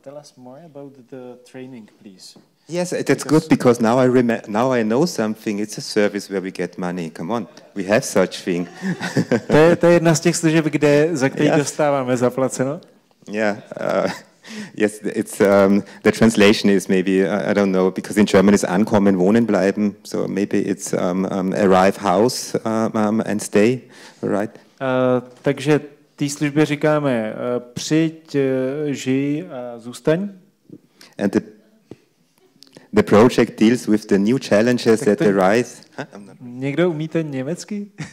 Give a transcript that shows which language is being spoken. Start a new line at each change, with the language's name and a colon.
English: Tell us more about the training, please. Yes, that's because good, because now I know something. It's a service where we get money. Come on, we have such thing.
Czech: To je jedna z těch služeb, kde za který dostáváme zaplaceno.
English: Yeah. Yes, it's the translation is maybe, I don't know, because in German it's
German: ankommen, wohnen bleiben.
English: So maybe it's arrive, house and stay, right?
Czech: Takže té službě říkáme přijď, žij a zůstaň.
English: And the project deals with the new challenges that arise. Huh?
Czech: Někdo umí ten německy?